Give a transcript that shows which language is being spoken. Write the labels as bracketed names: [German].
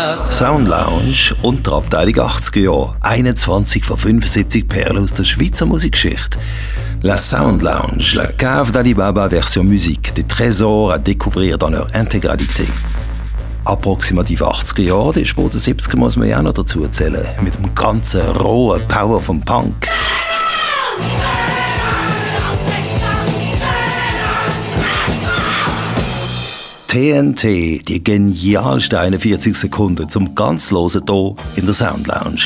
[German] Sound Lounge und der Abteilung 80er Jahre. 21 von 75 Perlen aus der Schweizer Musikgeschichte. [French] La Sound Lounge, la cave d'Alibaba version musique, des trésors à découvrir dans leur intégralité. [German] Approximativ 80er Jahre, die Spur der 70er muss man ja auch noch dazu erzählen. Mit dem ganzen rohen Power vom Punk. TNT, die genialste 41 Sekunden zum ganz losen hier in der Sound Lounge.